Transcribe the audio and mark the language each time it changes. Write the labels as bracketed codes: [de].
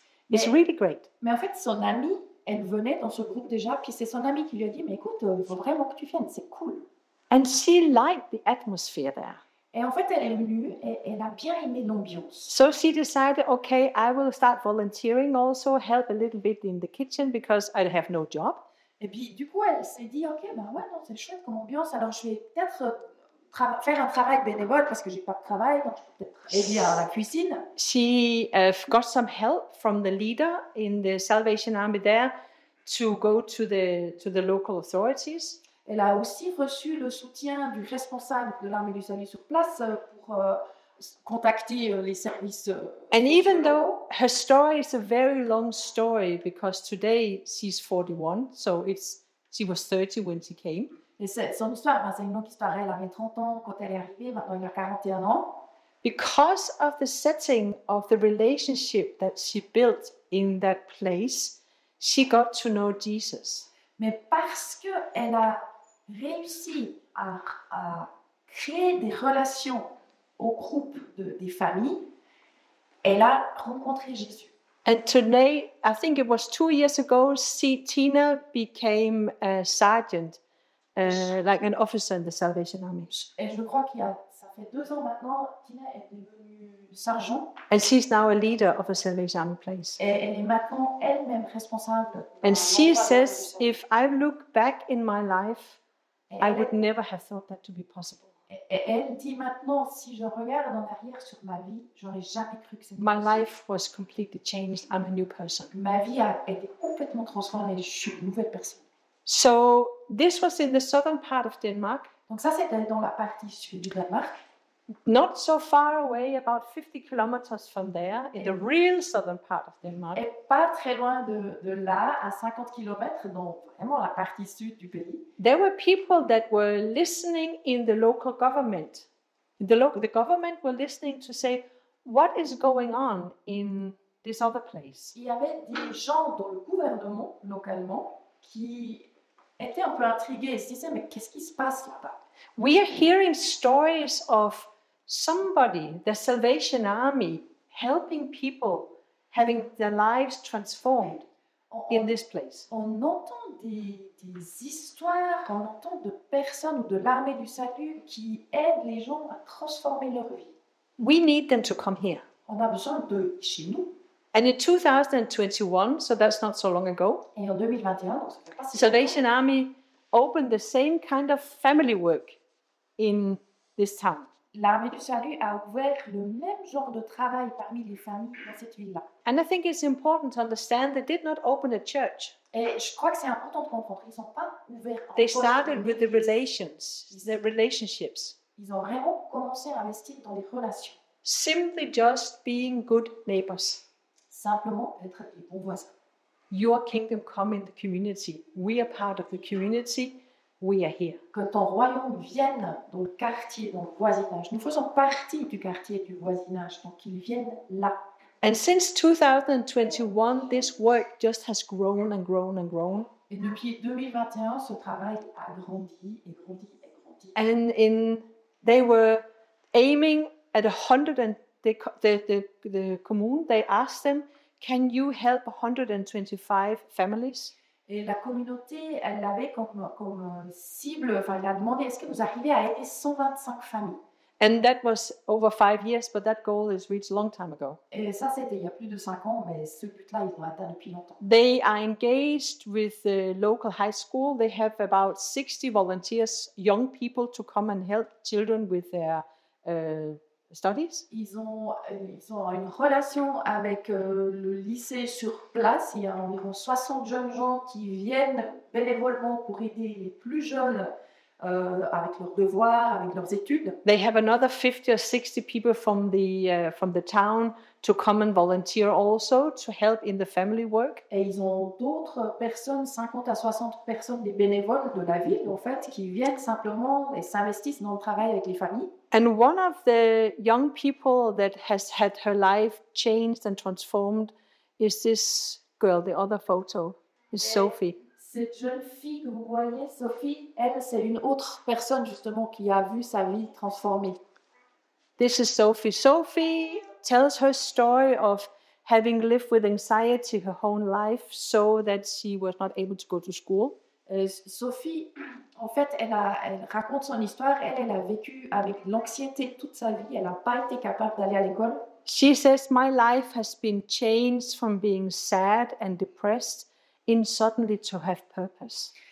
[en] It's really great. [fr] Mais en fait, son amie, elle venait dans ce groupe déjà, puis c'est son amie qui lui a dit, mais écoute, il faut vraiment que tu viennes, c'est cool. [en] And she liked the atmosphere there. [fr] Et en fait, elle est venue et elle a bien aimé l'ambiance. [en] So she decided, okay, I will start volunteering also, help a little bit in the kitchen because I have no job. [fr] Et puis, du coup, elle s'est dit, okay, ben ouais, non, c'est chouette comme ambiance, alors je vais peut-être faire un travail bénévole parce que j'ai pas de travail, donc je vais peut-être aider à la cuisine. [en] She got some help from the leader in the Salvation Army there to go to the local authorities. [fr] Elle a aussi reçu le soutien du responsable de l'armée du salut sur place pour contacté les services. [en] And even though her story is a very long story, because today she's 41, so it's she was 30 when she came. [fr] Et son histoire, c'est une longue histoire. Elle avait 30 ans quand elle est arrivée, maintenant elle a 41 ans. [en] Because of the setting of the relationship that she built in that place, she got to know Jesus. [fr] Mais parce que elle a réussi à créer des relations au groupe de, des familles, elle a rencontré Jésus. [en] And today, I think it was 2 years ago, Tina became a sergeant, like an officer in the Salvation Army. [fr] Et je crois qu'il y a, ça fait 2 ans maintenant, Tina est devenue sergent. [en] And she's now a leader of a Salvation Army place. [fr] Et elle est maintenant elle-même responsable. [en] And she says, if I look back in my life, I would never have thought that to be possible. [fr] Et elle dit maintenant, si je regarde en arrière sur ma vie, j'aurais jamais cru que c'était [en] possible. My life was completely changed. I'm a new person. [fr] Ma vie a été complètement transformée. Je suis une nouvelle personne. [en] So this was in the southern part of Denmark. [fr] Donc ça c'était dans la partie sud du Danemark. [en] Not so far away, about 50 kilometers from there, in the real southern part of Denmark. [fr] Et pas très loin de là, à 50 kilomètres, dans vraiment la partie sud du pays. [en] There were people that were listening in the local government. The government were listening to say, what is going on in this other place? [fr] Il y avait des gens dans le gouvernement localement qui étaient un peu intrigués et se disaient, mais qu'est-ce qui se passe là-bas? [en] We are hearing stories of somebody, the Salvation Army, helping people, having their lives transformed in this place. [fr] On entend des histoires, on entend de personnes ou de l'armée du salut qui aident les gens à transformer leur vie. [en] We need them to come here. [fr] On a besoin de chez nous. [en] And in 2021, so that's not so long ago, [fr] et en 2021, donc c'est pas si [en] Salvation [fr] long. [en] Army opened the same kind of family work in this town. [fr] L'armée du salut a ouvert le même genre de travail parmi les familles dans cette ville-là. [en] And I think it's important to understand they did not open a church. [fr] Et je crois que c'est important de comprendre qu'ils n'ont pas ouvert. [en] They started with the relations, the relationships. [fr] Ils ont vraiment commencé à investir dans les relations. [en] Simply just being good neighbors. [fr] Simplement être des bons voisins. [en] Your kingdom come in the community. We are part of the community. We are here. [fr] Que ton royaume vienne dans le quartier, dans le voisinage. Nous faisons partie du quartier, du voisinage. Donc, qu'il vienne là. [en] And since 2021, this work just has grown and grown and grown. [fr] Et depuis 2021, ce travail a grandi et grandi et grandi. [en] And in, they were aiming at 100, and the commune, they asked them, can you help 125 families? [fr] Et la communauté, elle l'avait comme cible, enfin, elle a demandé, est-ce que vous arrivez à aider 125 familles? [en] And that was over 5 years, but that goal is reached a long time ago. [fr] Et ça, c'était il y a plus de 5 ans, mais ce but-là, ils l'ont atteint depuis longtemps. [en] They are engaged with the local high school. They have about 60 volunteers, young people, to come and help children with their studies. [fr] Ils ont une relation avec le lycée sur place. Il y a environ 60 jeunes gens qui viennent bénévolement pour aider les plus jeunes avec leurs devoirs, avec leurs études. [en] They have another 50 or 60 people from the town to come and volunteer also to help in the family work. [fr] Et ils ont d'autres personnes, 50 à 60 personnes, des bénévoles de la ville en fait, qui viennent simplement et s'investissent dans le travail avec les familles. [en] And one of the young people that has had her life changed and transformed is this girl. The other photo is Sophie. [fr] Cette jeune fille que vous voyez, Sophie, elle, c'est une autre personne justement qui a vu sa vie transformée. [en] This is Sophie. Sophie tells her story of having lived with anxiety her whole life so that she was not able to go to school. [fr] Sophie, en fait, elle raconte son histoire. Elle a vécu avec l'anxiété toute sa vie. Elle n'a pas été capable d'aller à l'école. [en] She says, my life has been changed from being sad and depressed in suddenly to have purpose.